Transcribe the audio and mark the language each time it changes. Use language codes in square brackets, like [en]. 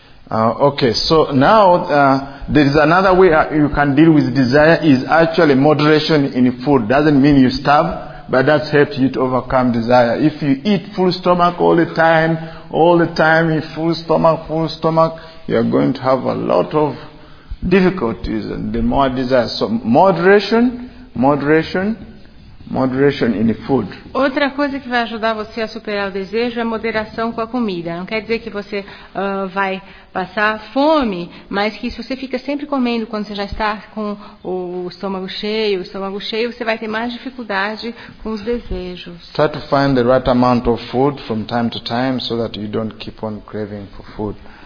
[en] Okay, so now there is another way you can deal with desire is actually moderation in food. Doesn't mean you starve, but that helps you to overcome desire. If you eat full stomach all the time, full stomach, you are going to have a lot of difficulties and the more desire. So moderation in the food. [pt] Outra coisa que vai ajudar você a superar o desejo é a moderação com a comida. Não quer dizer que você vai passar fome, mas que se você fica sempre comendo quando você já está com o estômago cheio, você vai ter mais dificuldade com os desejos. [en] Try to find the right amount of food from time to time so that you don't keep on craving for food.